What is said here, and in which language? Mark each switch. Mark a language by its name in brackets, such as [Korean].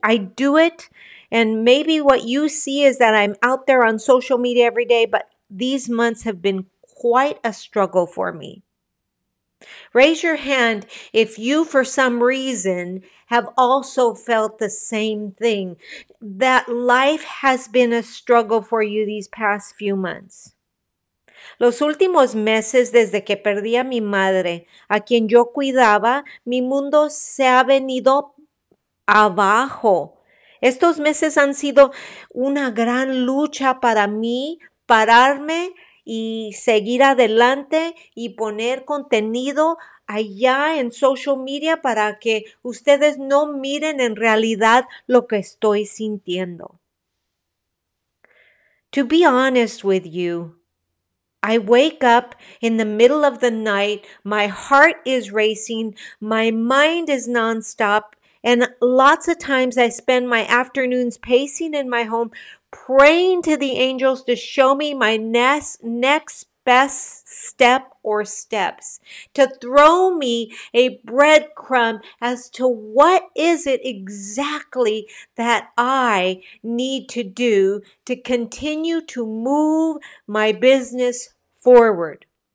[English] I do it, and maybe what you see is that I'm out there on social media every day, but these months have been quite a struggle for me. Raise your hand if you, for some reason, have also felt the same thing, that life has been a struggle for you these past few months. [Spanish] Los últimos meses, desde que perdí a mi madre, a quien yo cuidaba, mi mundo se ha venido abajo. Estos meses han sido una gran lucha para mí, pararme y seguir adelante y poner contenido allá en social media para que ustedes no miren en realidad lo que estoy sintiendo. [English] To be honest with you, I wake up in the middle of the night, my heart is racing, my mind is nonstop, and lots of times I spend my afternoons pacing in my home, praying to the angels to show me my next best step or steps, to throw me a breadcrumb as to what is it exactly that I need to do to continue to move my business forward.